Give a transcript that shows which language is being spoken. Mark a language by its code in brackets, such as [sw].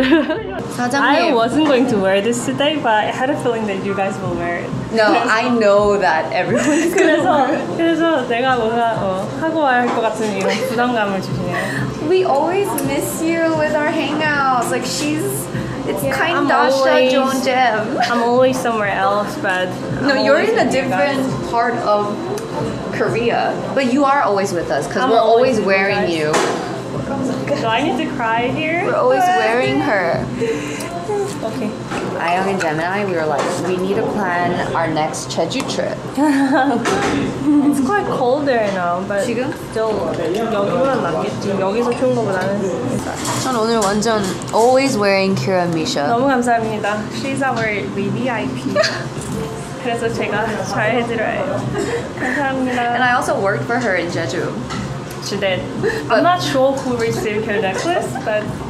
[en] I wasn't going to wear this today, but I had a feeling that you guys will wear it. No, I know that everyone's going to wear it. [ko] 그래서 내가 뭔가 하고 와야 할 것 같은 이런 부담감을 주시네요. [en] We always miss you with our hangouts. Like she's, it's yeah, kind Dasha, Joan, Jem. I'm always somewhere else, but. No, you're in a different part of Korea, but you are always with us because we're always wearing you. Do I need to cry here? We're always wearing her. Okay. Ayoung and Gemini, we were like, we need to plan our next Jeju trip. It's quite cold there now, but 지금? Still, [ko] 여기만 남겠지. 여기서 추운 거보다는. 전 오늘 완전 [en] always wearing [ko] Kira and Misha. 너무 감사합니다. [en] She's our VIP. [ko] 그래서 제가 잘 해드려요. 감사합니다. [en] And I also worked for her in Jeju. She did. But I'm not sure who received her necklace, but.